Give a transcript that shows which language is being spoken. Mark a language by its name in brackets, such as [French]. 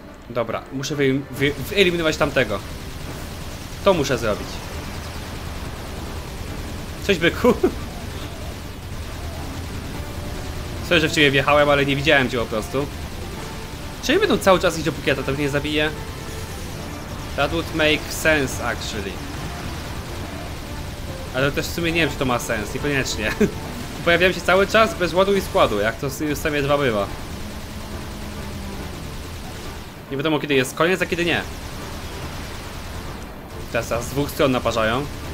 [Polish] Dobra, muszę wyeliminować tamtego. To muszę zrobić. Cześć, byku. Słyszę, że w ciebie wjechałem, ale nie widziałem cię po prostu. Czyli będą cały czas iść, dopóki ja to tam nie zabiję? [English] That would make sense, actually. [Polish] Ale też w sumie nie wiem, czy to ma sens, niekoniecznie. Pojawiam się cały czas bez ładu i składu, jak to w sumie dwa bywa. Nie wiadomo, kiedy jest koniec, a kiedy nie. Teraz z dwóch stron naparzają.